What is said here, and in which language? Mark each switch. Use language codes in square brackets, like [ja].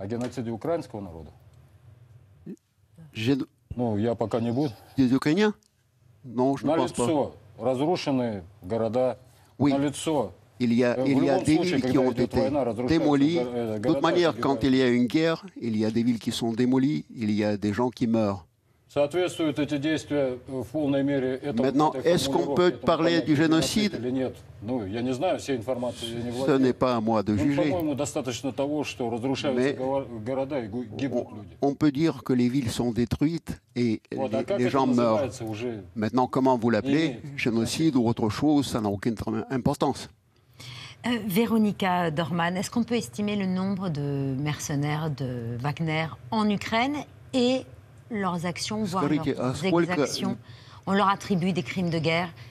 [fr] Des Ukrainiens ? Non, je ne pense pas. [ru] Разрушенные города. [fr] Oui. [ru] На лицо. [fr] Il y a des villes qui ont été démolies. De toute manière, quand il y a une guerre, il y a des villes qui sont démolies, il y a des gens qui meurent. [ru] Соответствуют эти действия в полной мере этому. [fr] Maintenant, est-ce qu'on peut parler du génocide? [ru] Ну, я не знаю всей информации, я не владею. [fr] Ce n'est pas à moi de juger. [ru] По-моему, достаточно того, что разрушаются города и гибнут люди. [fr] On peut dire que les villes sont détruites et les gens meurent. Maintenant, comment vous l'appelez, génocide ou autre chose, ça n'a aucune importance. Véronica Dorman, est-ce qu'on peut estimer le nombre de mercenaires de Wagner en Ukraine et leurs actions, voire leurs exactions, on leur attribue des crimes de guerre.